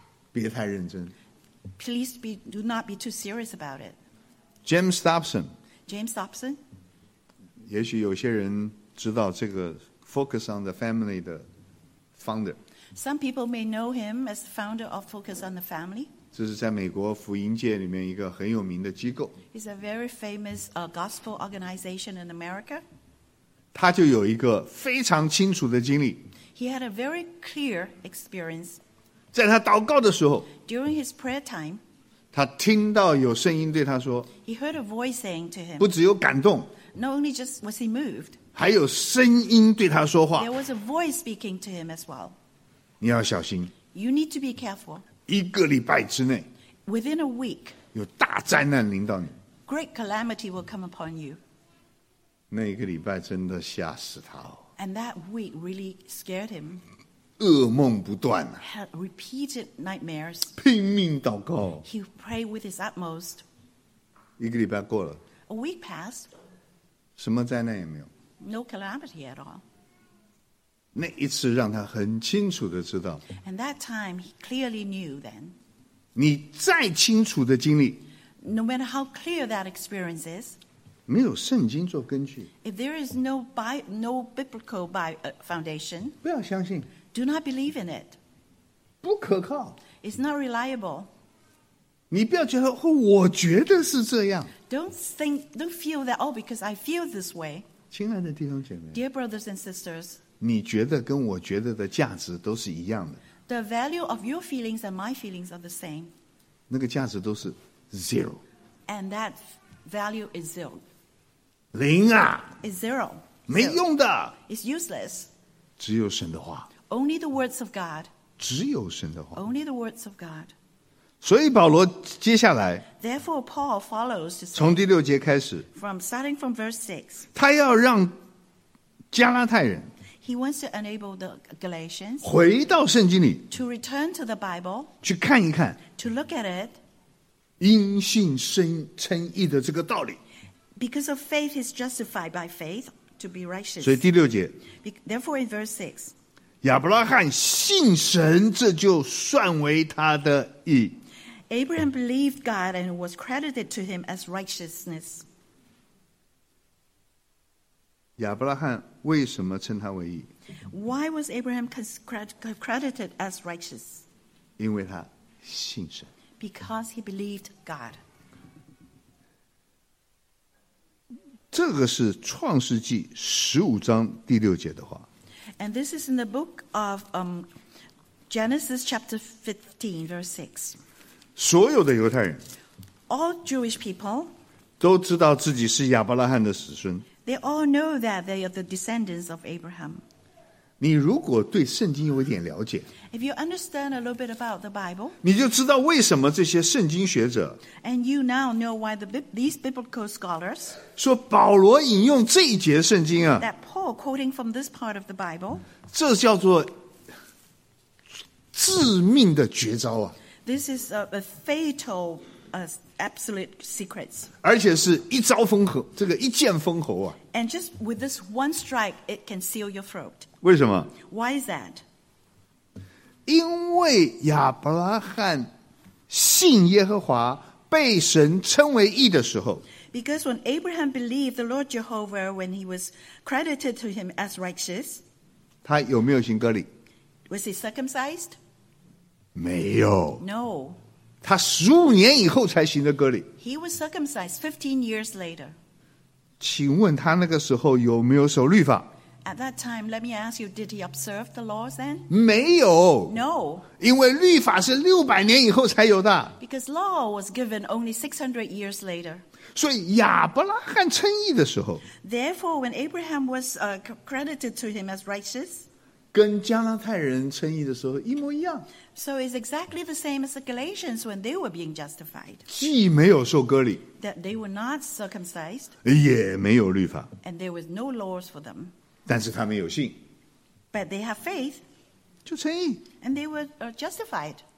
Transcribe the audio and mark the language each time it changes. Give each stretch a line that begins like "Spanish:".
Chinese: 别太认真
English: please be, do not be too serious about it.
Chinese: James Dobson, 也许有些人知道这个 Focus on the Family 的 founder.
English: Some people may know him as the founder of Focus on the Family.
Chinese: 这是在美国福音界里面一个很有名的机构
English: He's a very famous gospel organization in America.
Chinese: 他就有一个非常清楚的经历。
English: He had a very clear experience.
Chinese: 在他祷告的时候
English: ，during his prayer time，
Chinese: 他听到有声音对他说
English: ，He heard a voice saying to him，
Chinese: 不只有感动
English: ，not only just was he moved，
Chinese: 还有声音对他说话
English: ，there was a voice speaking to him as well。
Chinese: 你要小心
English: ，you need to be careful。
Chinese: 一个礼拜之内
English: ，within a week，
Chinese: 有大灾难临到你
English: ，great calamity will come upon you。
Chinese: 那一个礼拜真的吓死他哦。
English: And that week really scared him.
Chinese: 噩梦不断。
English: Had repeated nightmares.
Chinese: 拼命祷告。
English: He prayed with his utmost.
Chinese: 一个礼拜过了。
English: A week passed.
Chinese: 什么灾难也没有。
English: No calamity at all.
Chinese: 那一次让他很清楚的知道。
English: And that time he clearly knew then.
Chinese: 你再清楚的经历。
English: No matter how clear that experience is.
Chinese: 没有圣经做根据
English: If there is no biblical foundation
Chinese: 不要相信
English: Do not believe in it
Chinese: 不可靠
English: It's not reliable
Chinese: 你不要觉得、哦、我觉得是这样
English: Don't feel that Oh, because I feel this way
Chinese: 亲爱的弟兄姐妹
English: Dear brothers and sisters
Chinese: 你觉得跟我觉得的价值都是一样的
English: The value of your feelings and my feelings are the same
Chinese: 那个价值都是 zero
English: And that value is zero
Chinese: 零啊
English: is zero
Chinese: 没用的
English: is useless
Chinese: 只有神的话
English: only the words of God
Chinese: 只有神的话
English: only the words of God
Chinese: 所以保罗接下来
English: therefore Paul follows
Chinese: 从第六节开始
English: from starting from verse 6
Chinese: 他要让加拉太人
English: he wants to enable the Galatians
Chinese: 回到圣经里
English: to return to the Bible
Chinese: 去看一看
English: to look at it
Chinese: 因信称义的这个道理
English: Because of faith, he's justified by faith to be righteous.
Chinese: 所以第六节
English: Therefore, in verse 6,
Chinese: 亚伯拉罕信神，这就算为他的义。
English: Abraham believed God and was credited to him as righteousness.
Chinese: 亚伯拉罕为什么称他为义？
English: Why was Abraham credited as righteous?
Chinese: 因为他信神。
English: Because he believed God.
Chinese: 这个是创世纪十五章第六节的话。
English: And this is in the book of Genesis chapter 15, verse 6.
Chinese: 所有的犹太人
English: All Jewish people
Chinese: 都知道自己是亚伯拉罕的子孙
English: They all know that they are the descendants of Abraham.
Chinese: 你如果对圣经有一点了解
English: If you understand a little bit about the Bible
Chinese: 你就知道为什么这些圣经学者
English: And you now know why these biblical scholars
Chinese: 说保罗引用这一节圣经啊
English: That Paul quoting from this part of the Bible
Chinese: 这叫做致命的绝招啊
English: This is a fatal, absolute secret.
Chinese: 而且是一招封喉，这个一剑封喉啊。
English: And just with this one strike, it can seal your throat.
Chinese: 为什么
English: ？Why is that?
Chinese: 因为亚伯拉罕信耶和华，被神称为义的时候。
English: Because when Abraham believed the Lord Jehovah, when he was credited to him as righteous,
Chinese: 他有没有行割礼
English: ？Was he circumcised?
Chinese: 没有
English: No.
Chinese: 他十五年以后才行的割礼
English: He was circumcised 15 years later.
Chinese: 请问他那个时候有没有守律法
English: At that time, let me ask you, did he observe the laws then?
Chinese: 没有
English: No.
Chinese: 因为律法是六百年以后才有的
English: Because law was given only 600 years later.
Chinese: 所以亚伯拉罕称义的时候
English: Therefore, when Abraham was credited to him as righteous,
Chinese: 跟加拉太人称义的时候一模一样。
English: So it's exactly the same as the Galatians when they were being justified.
Chinese: 既没有受割礼
English: That they were not circumcised.
Chinese: 也没有律法。
English: And there was no laws for them.
Chinese: 但是他们有信。
English: But they have faith.
Chinese: 就称义。
English: And they were justified.